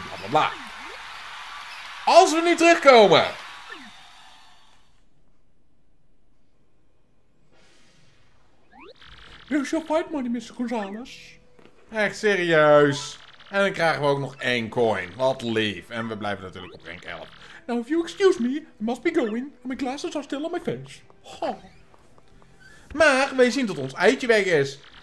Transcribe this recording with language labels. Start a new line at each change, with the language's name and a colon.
Dutch: Bla bla bla. Als we nu terugkomen.
English: Here's your fight money, Mr. Gonzalez.
Dutch: Echt serieus. En dan krijgen we ook nog 1 coin. Wat lief. En we blijven natuurlijk op rank 11.
English: Now, if you excuse me, I must be going. And my glasses are still on my face. Ha.
Dutch: Maar we zien dat ons eitje weg is.